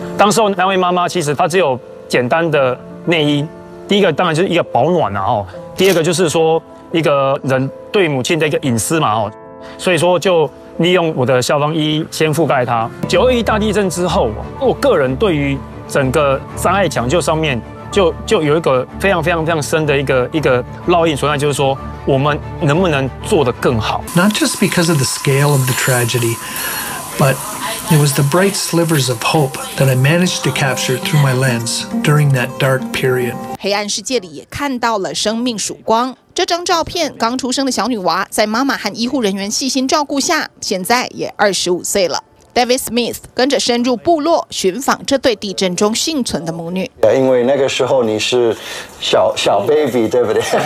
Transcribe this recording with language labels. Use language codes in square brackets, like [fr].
[zh] 当时那位妈妈其实她只有简单的内衣，第一个当然就是一个保暖啊，第二个就是说一个人对母亲的一个隐私嘛，所以说就利用我的消防衣先覆盖她。 921大地震之后，我个人对于整个灾害抢救上面就有一个非常非常非常深的一个烙印存在，就是说我们能不能做得更好。 [en] Not just because of the scale of the tragedy, but it was the bright slivers of hope that I managed to capture through my lens during that dark period. [zh] 黑暗世界里也看到了生命曙光。这张照片，刚出生的小女娃在妈妈和医护人员细心照顾下，现在也25岁了。 David Smith 跟着深入部落寻访这对地震中幸存的母女。因为那个时候你是小 baby， 对不对？